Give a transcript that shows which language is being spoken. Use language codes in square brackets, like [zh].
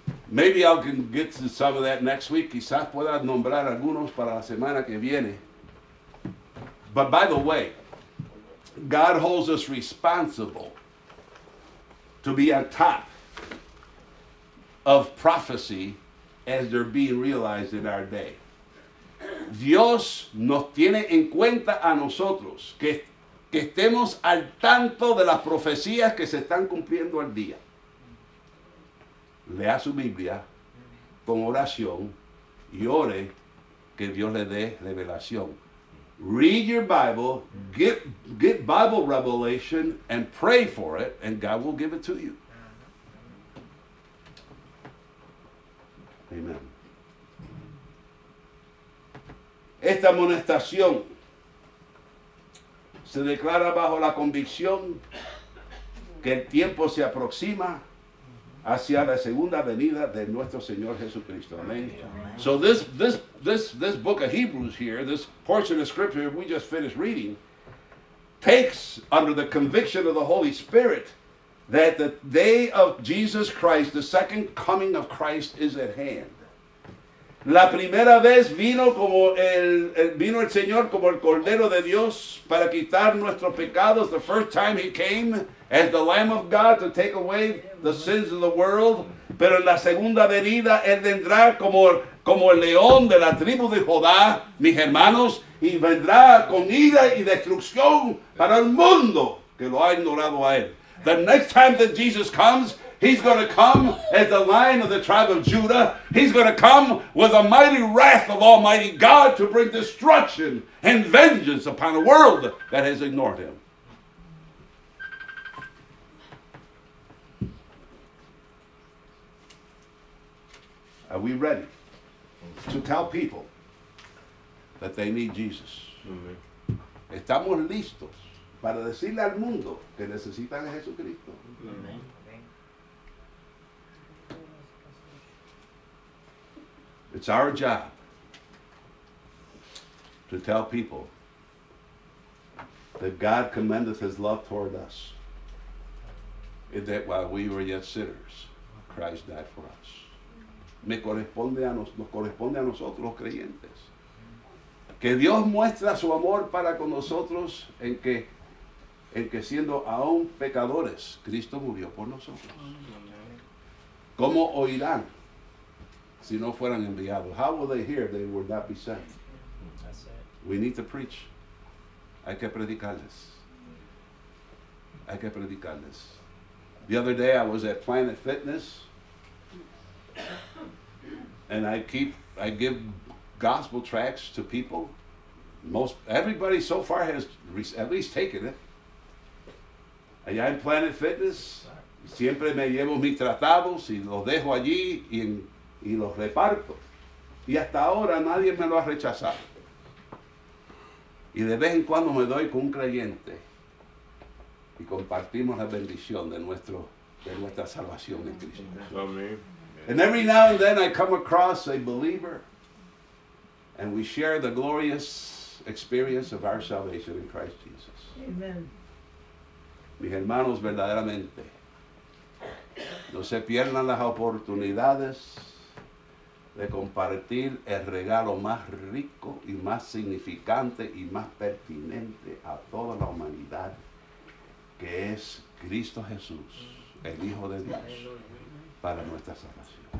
[en] Maybe I can get to some of that next week. [es] Quizás pueda nombrar algunos para la semana que viene. [en] But by the way, God holds us responsible to be on top of prophecy as they're being realized in our day. [es] Dios nos tiene en cuenta a nosotros que estemos al tanto de las profecías que se están cumpliendo al día. Lea su Biblia con oración y ore que Dios le dé revelación. [en] Read your Bible, get Bible revelation, and pray for it, and God will give it to you. Amen. [es] Esta amonestación se declara bajo la convicción que el tiempo se aproxima hacia la segunda venida de nuestro Señor Jesucristo. Amen. [en] So this book of Hebrews here, this portion of scripture we just finished reading, takes under the conviction of the Holy Spirit that the day of Jesus Christ, the second coming of Christ, is at hand. [es] La primera vez vino el Señor como el Cordero de Dios para quitar nuestros pecados. [en] The first time he came as the Lamb of God to take away the sins of the world. [es] Pero en la segunda venida, él vendrá como el león de la tribu de Judá, mis hermanos, y vendrá con ira y destrucción para el mundo que lo ha ignorado a él. [en] The next time that Jesus comes, he's going to come as the Lion of the tribe of Judah. He's going to come with a mighty wrath of Almighty God to bring destruction and vengeance upon a world that has ignored him. Are we ready to tell people that they need Jesus? Amen. [es] ¿Estamos listos para decirle al mundo que necesitan a Jesucristo? Amen. [en] It's our job to tell people that God commendeth his love toward us, and that while we were yet sinners, Christ died for us. [es] Me corresponde a nos corresponde a nosotros los creyentes. Que Dios muestra su amor para con nosotros en que siendo aún pecadores, Cristo murió por nosotros. ¿Cómo oirán si no fueran enviados? [en] How will they hear if they would not be sent? We need to preach. [es] Hay que predicarles. Hay que predicarles. [en] The other day I was at Planet Fitness, and I give gospel tracts to people. Everybody so far has at least taken it. [es] Allá en Planet Fitness, siempre me llevo mis tratados y los dejo allí y los reparto. Y hasta ahora nadie me lo ha rechazado. Y de vez en cuando me doy con un creyente y compartimos la bendición de nuestra salvación en Cristo. [en] And every now and then I come across a believer and we share the glorious experience of our salvation in Christ Jesus. Amen. [es] Mis hermanos, verdaderamente, no se pierdan las oportunidades de compartir el regalo más rico y más significante y más pertinente a toda la humanidad, que es Cristo Jesús, el Hijo de Dios, para nuestra salvación.